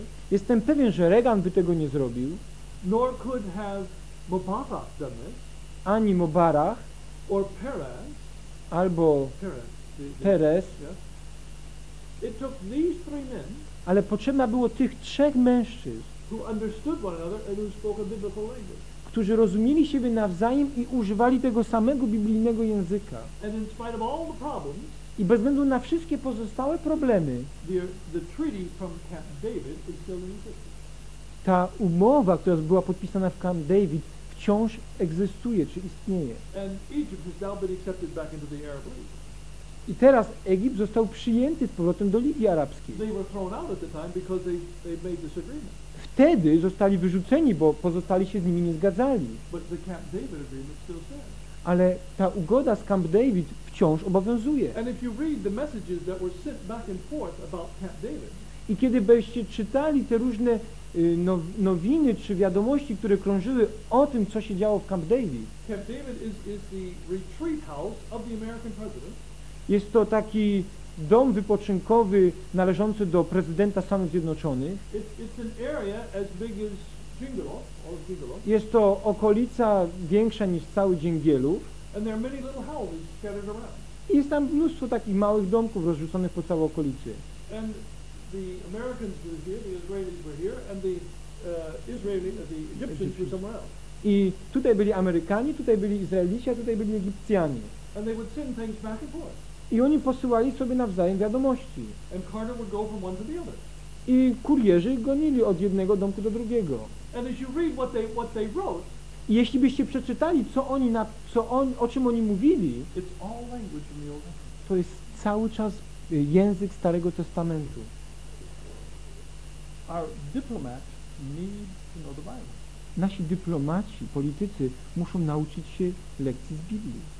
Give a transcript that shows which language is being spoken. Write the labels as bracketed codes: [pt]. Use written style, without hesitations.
[pl] Jestem pewien, że Reagan by tego nie zrobił, [en] nor could have Mubarak done this, [pl] ani Mubarak, [en] or Perez, [pl] albo Perez. [en] Yeah. It took these three men. [pl] Ale potrzebna było tych trzech mężczyzn, [en] who understood one another and who spoke a biblical language, [pl] którzy rozumieli siebie nawzajem i używali tego samego biblijnego języka. [en] And in spite of all the problems, [pl] i bez względu na wszystkie pozostałe problemy, [en] the treaty from Camp David is still in existence. [pl] Ta umowa, która była podpisana w Camp David, wciąż egzystuje, czy istnieje. [en] And Egypt has now been accepted back into the Arab League. [pl] I teraz Egipt został przyjęty z powrotem do Ligi Arabskiej. [en] They were thrown out at the time because they made this agreement. [pl] Wtedy zostali wyrzuceni, bo pozostali się z nimi nie zgadzali. [en] But the Camp David agreement still stands. [pl] Ale ta ugoda z Camp David wciąż obowiązuje. [en] And if you read the messages that were sent back and forth about Camp David. [pl] I kiedy byście czytali te różne nowiny czy wiadomości, które krążyły o tym, co się działo w Camp David. [en] Camp David is the retreat house of the American president. [pl] Jest to taki dom wypoczynkowy należący do prezydenta Stanów Zjednoczonych. [en] It's an area as big as Jingle, or Jingle. [pl] Jest to okolica większa niż cały Dżingielów. [en] And there are many little houses scattered around. [pl] I jest tam mnóstwo takich małych domków rozrzuconych po całej okolicy. [en] And the Americans were here, the Israelis were here, and the the Egyptians were somewhere else. [pl] I tutaj byli Amerykanie, tutaj byli Izraelici, a tutaj byli Egipcjanie. [en] And they would send things back and forth. [pl] I oni posyłali sobie nawzajem wiadomości. [en] And Carter would go from one to the other. [pl] I kurierzy gonili od jednego domku do drugiego. [en] And as you read what they wrote, [pl] i jeśli byście przeczytali, co oni na, co on, o czym oni mówili, [en] it's all language in the Old Testament. [pl] To jest cały czas język Starego Testamentu. [en] Our diplomat needs to know the Bible. [pl] Nasi dyplomaci, politycy muszą nauczyć się lekcji z Biblii.